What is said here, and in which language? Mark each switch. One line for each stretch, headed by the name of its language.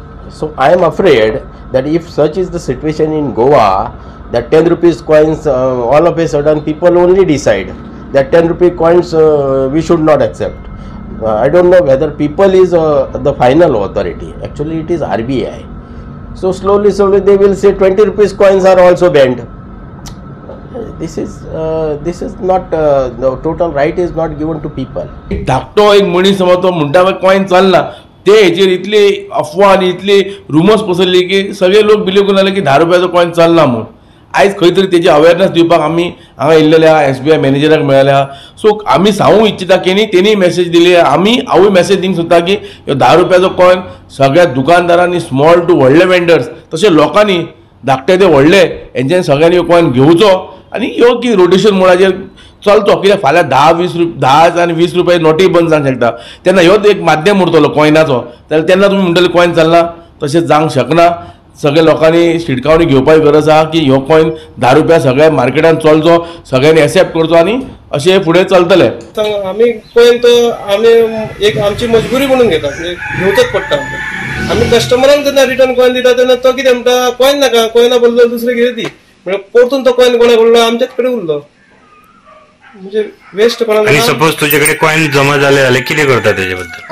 English: So I am afraid that if such is the situation in Goa, that 10 rupees coins, all of a sudden people only decide that 10 rupee coins we should not accept. I don't know whether people is the final authority. Actually, it is RBI. So slowly, slowly they will say 20 rupees coins are also banned. This is not the total right is not given to people.
Konkani: धाकटो एक मनीस हा तो म्हणटा कॉईन चालना ते हेचेर इतली अफवा आणि इतली रुमर्स पसरली की सगळे लोक बिलीव करू लागले की 10 रुपयाचा कॉईन चालना म्हणून आयज खंय तरी त्याची अवेअरनेस दिवपाक आम्ही हांगा इल्ले आहा SBI मॅनेजराक मेळ्ळे आहा. सो आम्ही सांगू इच्छिता की त्यांनी मेसेज दिली आहे आम्ही हांवूय मेसेज दिंग सोदता की 10 रुपयाचा कॉईन सगळ्या दुकानदारांनी स्मॉल टू व्हडले वेंडर्स तसे लोकांनी धाकटे ते व्हडले यांच्यानी सगळ्यांनी कॉईन घेवचो आणि यो की रोटेशन मोडाचेर चलतो कित्याक फाल्यां 10 आनी 20 रुपये नोटी बंद जावंक शकता तेन्ना ह्योच एक माध्यम उरतलो कॉयनाचो तेन्ना तुमी म्हणटले कॉयन चलना तशें जावंक शकना. सगळे लोकांनी शिडकावणी घेवपाची गरज आहा की ह्यो कॉयन 10 रुपया सगळ्या मार्केटांत चलचो सगळ्यांनी एक्सेप्ट करचो आनी अशें फुडें चलतले. आमी कॉयन तो आमी एक आमची मजबुरी म्हणून घेतात घेवचोच पडटा. आमी कस्टमरांक जेन्ना रिटर्न कॉयन दिता तेन्ना तो कितें म्हणटा कॉयन नाका कॉयना बदल दुसरे कितें दी परतून तो कॉयन कोणाक उरलो आमच्याच कडेन उरलो म्हणजे वेस्ट कोणाक.
Marathi: आणि सपोज तुझ्या कडे कॉयन जमा झाले झाले किती करता त्याच्या बद्दल.